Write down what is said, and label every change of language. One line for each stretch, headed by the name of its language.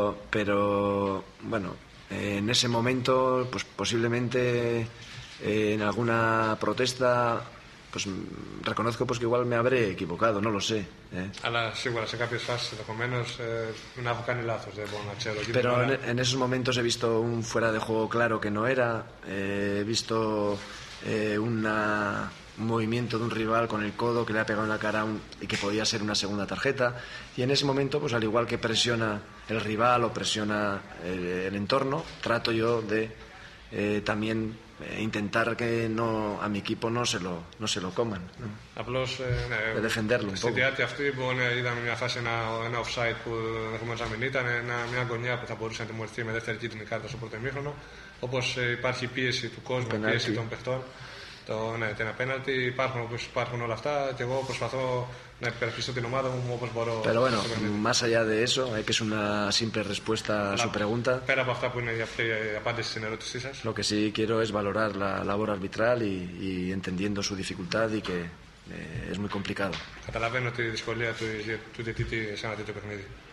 Spanish: Pero bueno, en ese momento, pues posiblemente en alguna protesta, pues reconozco pues que igual me habré equivocado, no lo sé.
Greek: Αλλά σίγουρα σε κάποιες φάσεις ενδεχομένως να έχω κάνει λάθος, δεν μπορώ να ξέρω.
Spanish: Pero en esos momentos he visto un fuera de juego claro que no era, he visto un movimiento de un rival con el codo que le ha pegado en la cara y que podía ser una segunda tarjeta, y en ese momento, pues al igual que presiona el rival o presiona el entorno, trato yo de también intentar que no a mi equipo no se lo coman, ¿no? De defenderlo un poco.
Greek: Στη διάρκεια αυτή είδαμε μια φάση, ένα offside που ενδεχομένως να μην ήταν, μια γωνιά που θα μπορούσε να τιμωρηθεί με δεύτερη κίτρινη κάρτα στο πρώτο ημίχρονο. Όπως υπάρχει πίεση του κόσμου, πίεση των παιχτών, την απέναντι, υπάρχουν όλα αυτά και εγώ προσπαθώ να υπερασπιστώ την ομάδα μου όπως μπορώ.
Spanish: Pero bueno, más allá de eso, que es una simple respuesta a su pregunta.
Greek: Πέρα από αυτά που είναι η απάντηση στην ερώτησή σας.
Spanish: Lo que sí quiero es valorar la labor arbitral y entendiendo su dificultad y que es muy complicado.
Greek: Καταλαβαίνω τη δυσκολία του διαιτητή σε ένα τέτοιο παιχνίδι.